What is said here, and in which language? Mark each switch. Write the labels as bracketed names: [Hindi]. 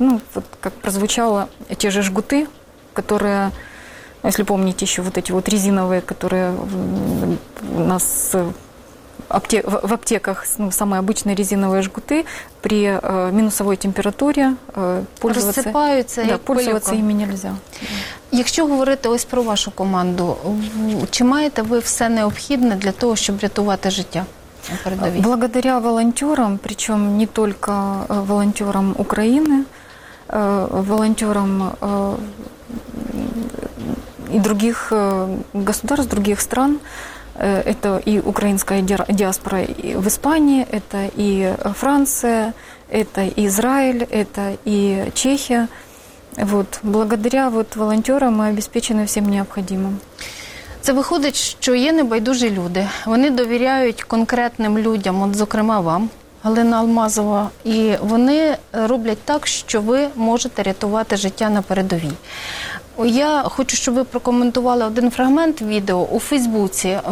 [Russian] Ну, вот как прозвучало, те же жгуты, которые... Если помните, еще вот эти вот резиновые, которые у нас... В аптеках ну, самые обычные резиновые жгуты при минусовой температуре рассыпаются, да, пользоваться ими нельзя. [Ukrainian] Якщо говорити ось про вашу команду, чи маєте ви все необхідне для того, щоб рятувати життя? [Russian] Благодаря волонтерам, причем не только волонтерам Украины, волонтерам и других государств, других стран, это и украинская диаспора в Испании, это и Франция, это и Израиль, это и Чехия. Вот. Благодаря вот волонтерам мы обеспечены всем необходимым. [Ukrainian] Це виходить, що є небайдужі люди. Вони довіряють конкретним людям, от, зокрема, вам, Галина Алмазова, і вони роблять так, що ви можете рятувати життя на передовій. Я хочу, щоб ви прокоментували один фрагмент відео у Фейсбуці.